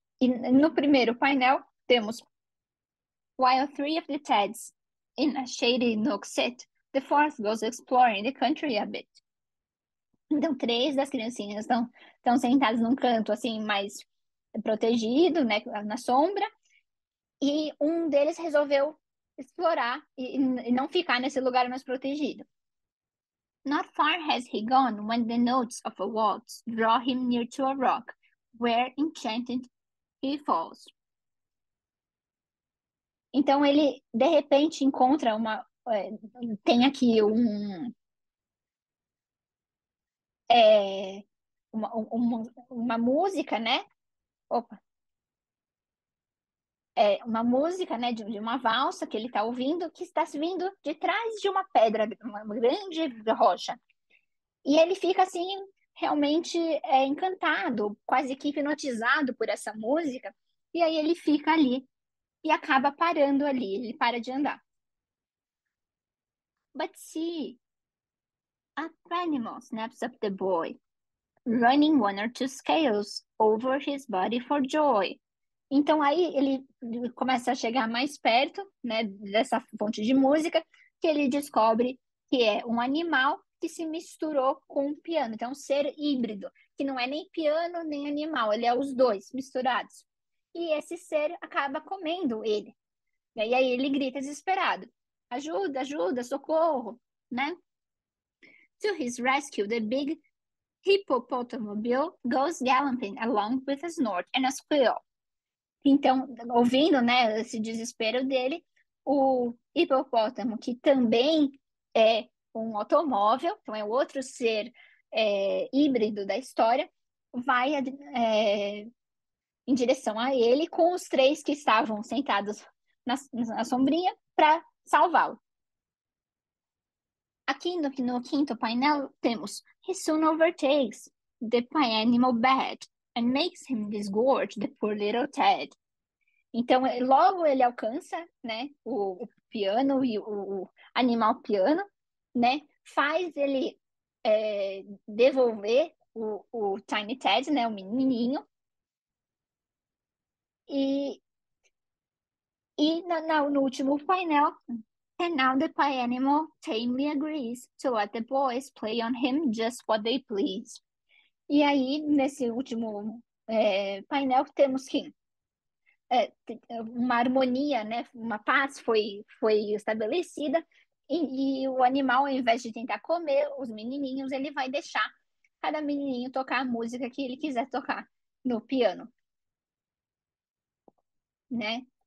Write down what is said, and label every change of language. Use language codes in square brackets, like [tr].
[pt] E no primeiro painel temos: [en] While three of the Tads in a shady nook sit, the fourth goes exploring the country a bit. [pt] Então, três das criancinhas estão sentadas num canto assim mais protegido, né, na sombra, e um deles resolveu explorar e não ficar nesse lugar mais protegido. [en] Not far has he gone when the notes of a waltz draw him near to a rock, where enchanted he falls. [pt] Então ele de repente encontra uma. Tem aqui uma música, né? Opa! Uma música, né, de uma valsa que ele está ouvindo, que está vindo de trás de uma pedra, uma grande rocha. E ele fica assim, realmente encantado, quase que hipnotizado por essa música. E aí ele fica ali e acaba parando ali, ele para de andar. [en] But see, a animal snaps up the boy, running one or two scales over his body for joy. [pt] Então aí ele começa a chegar mais perto, né, dessa fonte de música, que ele descobre que é um animal que se misturou com um piano. Então, um ser híbrido, que não é nem piano nem animal, ele é os dois misturados. E esse ser acaba comendo ele. E aí ele grita desesperado: ajuda, ajuda, socorro, né? [en] To his rescue, the big hippopotamobile goes galloping along with a snort and a squeal. [pt] Então, ouvindo, né, esse desespero dele, o hipopótamo, que também um automóvel, então é outro ser híbrido da história, vai em direção a ele com os três que estavam sentados na sombrinha para salvá-lo. Aqui no quinto painel temos: [en] "He soon overtakes the animal bad and makes him disgorge the poor little Ted." [pt] Então, logo ele alcança, né, o piano e o animal piano, né, faz ele devolver o Tiny Ted, né, o menininho. E no último painel: [en] "And now the pie animal tamely agrees to let the boys play on him just what they please." [pt] E aí, nesse último painel, temos que uma harmonia, né, uma paz foi estabelecida, e o animal, ao invés de tentar comer os menininhos, ele vai deixar cada menininho tocar a música que ele quiser tocar no piano, né?